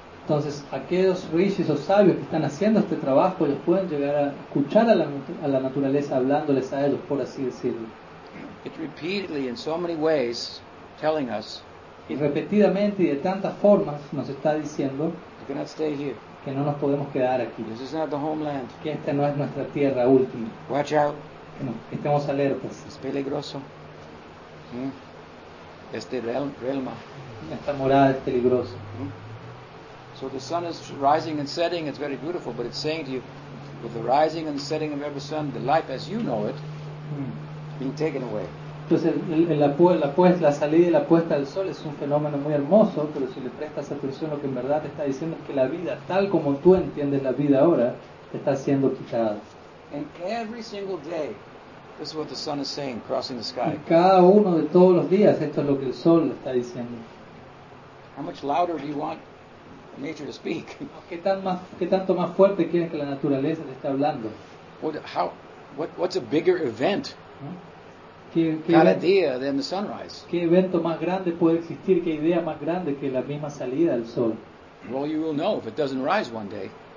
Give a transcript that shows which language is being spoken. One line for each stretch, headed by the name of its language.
Spanish: Entonces, aquellos rishis o sabios que están haciendo este trabajo, ellos pueden llegar a escuchar a la naturaleza hablándoles a ellos, por así decirlo.
English: It repeatedly, in so many ways, telling us.
Spanish: Y repetidamente y de tantas formas nos está diciendo.
English: We cannot stay here.
Spanish: Que no nos podemos quedar aquí.
English: This is not the homeland.
Spanish: Que esta no es nuestra tierra última.
English: Watch out.
Spanish: Que estemos alertas. Es peligroso. Este realma. Esta morada es peligrosa.
English: So the sun is rising and setting. It's very beautiful, but it's saying to you, with the rising and setting of every sun, the life as you know it. Being taken away.
Spanish: Entonces la salida y la puesta del sol es un fenómeno muy hermoso, pero si le prestas atención, lo que en verdad te está diciendo es que la vida tal como tú entiendes la vida ahora te está siendo quitada.
English: And every single day, this is what the sun is saying, crossing the sky.
Spanish: Y cada uno de todos los días esto es lo que el sol le está diciendo.
English: How much louder do you want nature to speak?
Spanish: ¿Qué tanto más fuerte quieres que la naturaleza te esté hablando?
English: What's a bigger event?
Spanish: ¿Qué evento más grande puede existir? ¿Qué idea más grande que la misma salida del sol?
English: Well, you will know if it doesn't rise one day.